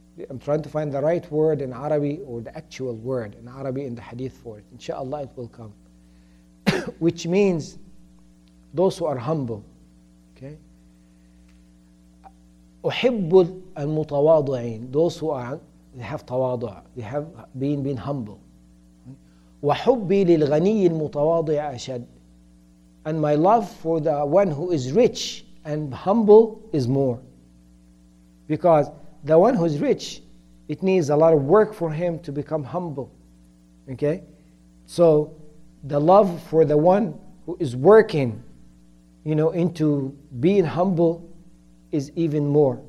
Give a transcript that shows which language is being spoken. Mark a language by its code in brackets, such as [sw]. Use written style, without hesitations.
[en] I'm trying to find the right word in Arabic, or the actual word in Arabic in the hadith for it. Inshallah, it will come. Which means those who are humble. Okay. [ar] أحب المتواضعين. [en] Those who are, they have تواضع. They have been humble. [ar] وحبي للغني المتواضع أشد. [en] And my love for the one who is rich and humble is more. Because the one who is rich, it needs a lot of work for him to become humble. Okay? So the love for the one who is working, you know, into being humble is even more.